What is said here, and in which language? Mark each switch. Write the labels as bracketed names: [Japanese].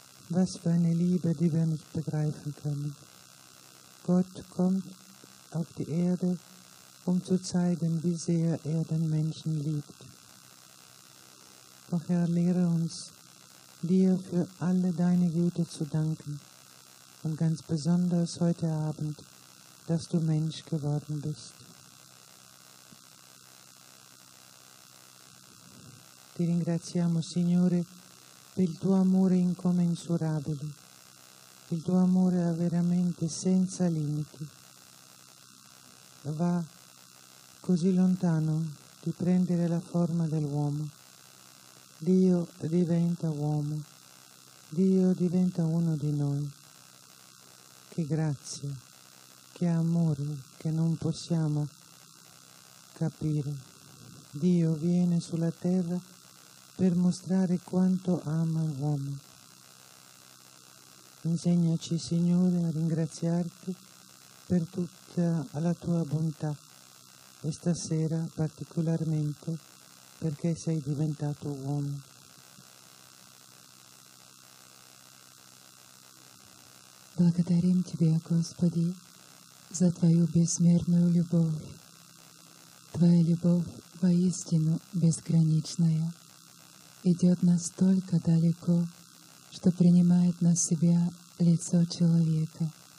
[German] Was für eine Liebe, die wir nicht begreifen können. Gott kommt auf die Erde, um zu zeigen, wie sehr er den Menschen liebt. Doch Herr, lehre uns, dir für alle deine Güte zu danken. Und ganz besonders heute Abend, dass du Mensch geworden bist. [Italian] Ti ringraziamo, Signore, per il tuo amore incommensurabile. Il tuo amore è veramente senza limiti. Va così lontano di prendere la forma dell'uomo. Dio diventa uomo. Dio diventa uno di noi. Che grazia, che amore che non possiamo capire. Dio viene sulla terra per mostrare quanto ama l'uomo. Insegnaci, Signore, a ringraziarti per tutta la tua bontà, e stasera particolarmente perché sei diventato uomo. [Russian] Благодарим тебя, Господи, за твою безмерную любовь. Твоя любовь воистину безграничная. Идет настолько далеко, что принимает на себя лицо человека.